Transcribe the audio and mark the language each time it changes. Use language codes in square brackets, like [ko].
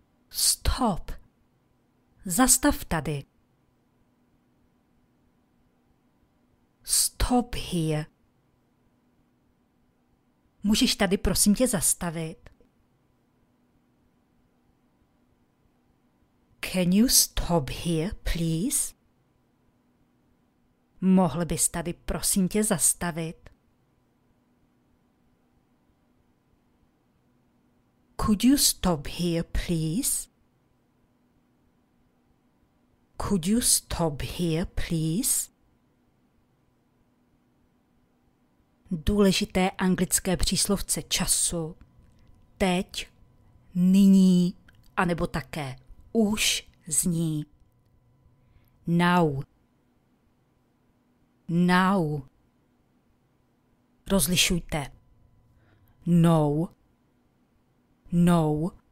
[en] Stop. [cs] Zastav tady. [en] Stop here. [cs] Můžeš tady prosím tě zastavit? [en] Can you stop here, please? [cs] Mohl bys tady prosím tě zastavit? [en] Could you stop here, please? Could you stop here, please? [cs] Důležité anglické příslovce času. Teď, nyní, anebo také už zní. [en] Now. Now. [cs] Rozlišujte. [en] No. No.